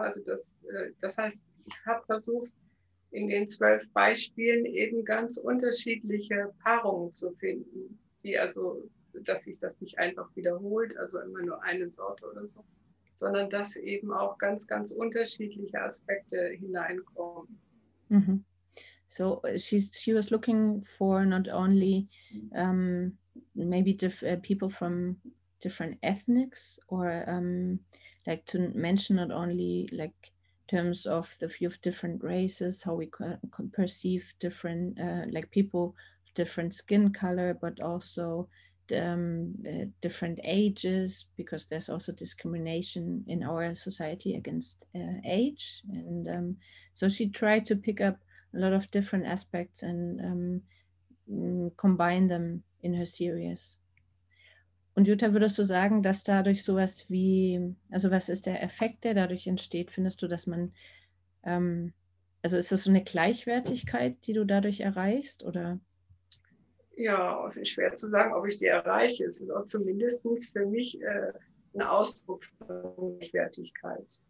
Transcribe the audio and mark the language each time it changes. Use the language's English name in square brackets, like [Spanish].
[German] Also das heißt, ich habe versucht, in den 12 Beispielen eben ganz unterschiedliche Paarungen zu finden, die also, dass sich das nicht einfach wiederholt, also immer nur eine Sorte oder so, sondern dass eben auch ganz, ganz unterschiedliche Aspekte hineinkommen. [English] Mhm. So she was looking for not only maybe people from different ethnics or like to mention not only like terms of the view of different races, how we can perceive different like people of different skin color, but also different ages, because there's also discrimination in our society against age. And so she tried to pick up a lot of different aspects and combine them in her series. [German] Und Jutta, würdest du sagen, dass dadurch sowas wie, also was ist der Effekt, der dadurch entsteht, findest du, dass man, also ist das so eine Gleichwertigkeit, die du dadurch erreichst, oder? Ja, es ist schwer zu sagen, ob ich die erreiche. Es ist auch zumindest für mich ein Ausdruck von Gleichwertigkeit.